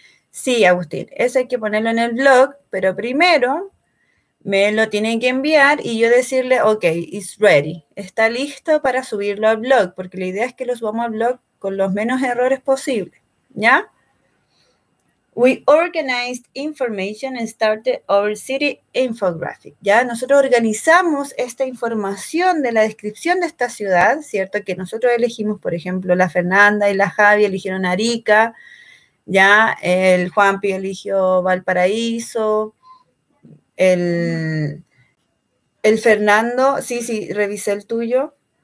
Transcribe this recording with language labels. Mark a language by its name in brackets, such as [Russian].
[Spanish] Sí, Agustín, eso hay que ponerlo en el blog, pero primero me lo tienen que enviar y yo decirle, [English] ok, it's ready. [Spanish] Está listo para subirlo al blog, porque la idea es que lo subamos al blog con los menos errores posibles. ¿Ya? [English] We organized information and started our city infographic. [Spanish] Ya, nosotros organizamos esta información de la descripción de esta ciudad, ¿cierto? Que nosotros elegimos, por ejemplo, la Fernanda y la Javi eligieron Arica, ya, el Juanpi eligió Valparaíso, el Fernando, sí, revisé el tuyo.